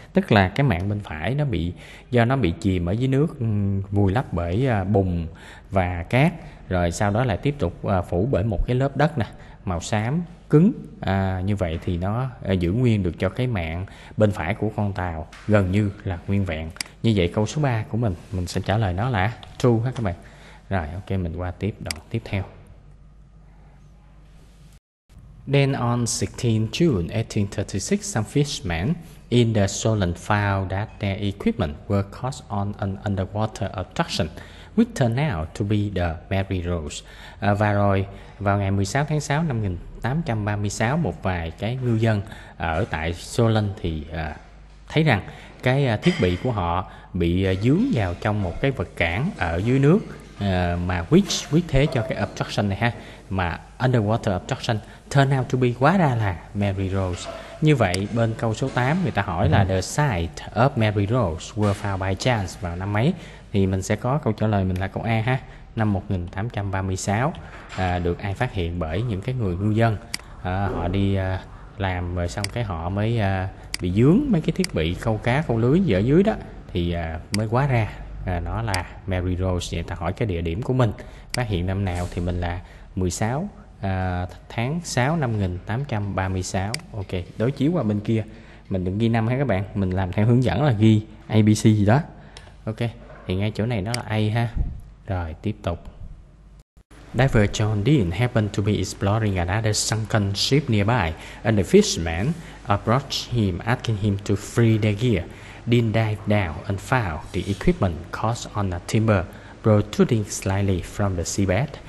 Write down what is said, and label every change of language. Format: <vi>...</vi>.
<vi>Tức là cái mạn bên phải nó bị, do nó bị chìm ở dưới nước, vùi lấp bởi bùn và cát, rồi sau đó lại tiếp tục phủ bởi một cái lớp đất nè, màu xám, cứng. Như vậy thì nó giữ nguyên được cho cái mạn bên phải của con tàu gần như là nguyên vẹn. Như vậy câu số 3 của mình sẽ trả lời nó là true ha các bạn. Rồi ok, mình qua tiếp đoạn tiếp theo.</vi> <en>Then on 16 June 1836, some fishermen in the Solon found that their equipment were caught on an underwater obstruction, which turned out to be the Mary Rose.</en> <vi>Và rồi, vào ngày 16 tháng 6 năm 1836, một vài cái ngư dân ở tại Solon thì thấy rằng cái thiết bị của họ bị vướng vào trong một cái vật cản ở dưới nước, mà which thế cho cái obstruction này ha, mà</vi> <en>underwater obstruction turn out to be,</en> <vi>quá ra là Mary Rose. Như vậy bên câu số 8 người ta hỏi là</vi> <en>the site of Mary Rose were found by chance</en> <vi>vào năm mấy, thì mình sẽ có câu trả lời mình là câu A ha, năm 1836, được ai phát hiện bởi những cái người ngư dân, họ đi làm rồi xong cái họ mới bị vướng mấy cái thiết bị câu cá câu lưới ở dưới đó, thì mới quá ra nó là Mary Rose. Vậy ta hỏi cái địa điểm của mình phát hiện năm nào thì mình là 16 tháng 6 năm 1836. Ok, đối chiếu qua bên kia, mình đừng ghi năm ha các bạn, mình làm theo hướng dẫn là ghi ABC gì đó. Ok, thì ngay chỗ này nó là A ha. Rồi tiếp tục.</vi> <en>Diver John Dean happened to be exploring another sunken ship nearby, and the fishermen approached him, asking him to free their gear. Dean dived down and found the equipment caught on a timber, protruding slightly from the seabed.</en>